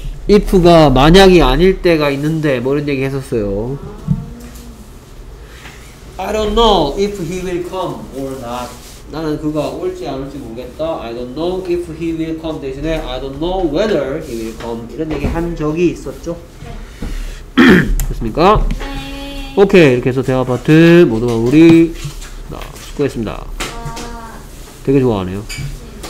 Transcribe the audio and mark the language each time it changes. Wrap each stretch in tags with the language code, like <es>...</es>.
<ko>If가 만약이 아닐 때가 있는데 뭐 이런 얘기 했었어요.</ko> <en>I don't know if he will come or not.</en> <ko>나는 그가 올지 안 올지 모르겠다.</ko> <en>I don't know if he will come</en> <ko>대신에</ko> <en>I don't know whether he will come</en> <ko>이런 얘기 한 적이 있었죠. 됐습니까? 네. 오케이. 이렇게 해서 대화 파트 모두 마무리. 수고했습니다. 되게 좋아하네요.</ko>